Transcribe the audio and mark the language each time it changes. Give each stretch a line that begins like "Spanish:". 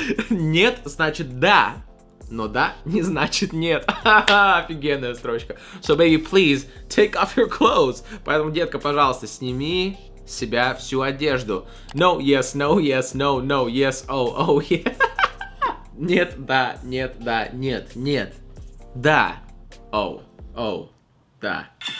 Russian: Нет — значит да, но да — не значит нет. Офигенная строчка.
English: So baby, please, take off your clothes.
Russian: Поэтому, детка, пожалуйста, сними себя всю одежду.
English: No, yes, no, yes, no, no, yes, oh, oh, yeah.
Russian: Нет, да, нет, да, нет, нет, да, оу, oh, оу, oh, да.